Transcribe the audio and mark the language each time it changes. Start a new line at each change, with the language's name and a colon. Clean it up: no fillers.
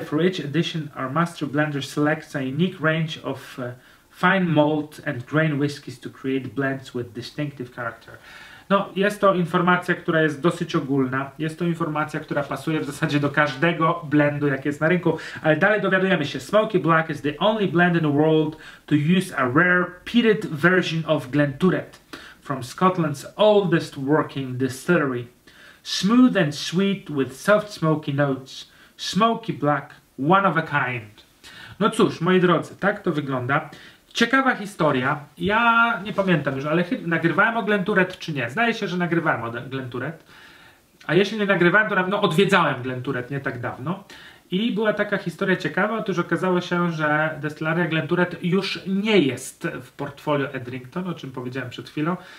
English: For each edition, our master blender selects a unique range of fine malt and grain whiskies to create blends with distinctive character.
Polish: No, jest to informacja, która jest dosyć ogólna. Jest to informacja, która pasuje w zasadzie do każdego blendu, jaki jest na rynku. Ale dalej dowiadujemy się.
English: Smoky Black is the only blend in the world to use a rare peated version of Glenturret from Scotland's oldest working distillery. Smooth and sweet with soft smoky notes. Smoky Black, one of a kind.
Polish: No cóż, moi drodzy, tak to wygląda. Ciekawa historia. Ja nie pamiętam już, ale nagrywałem o Glenturret czy nie? Zdaje się, że nagrywałem o Glenturret. A jeśli nie nagrywałem, to no, odwiedzałem Glenturret nie tak dawno. I była taka historia ciekawa. Otóż okazało się, że destylaria Glenturret już nie jest w portfolio Edrington, o czym powiedziałem przed chwilą.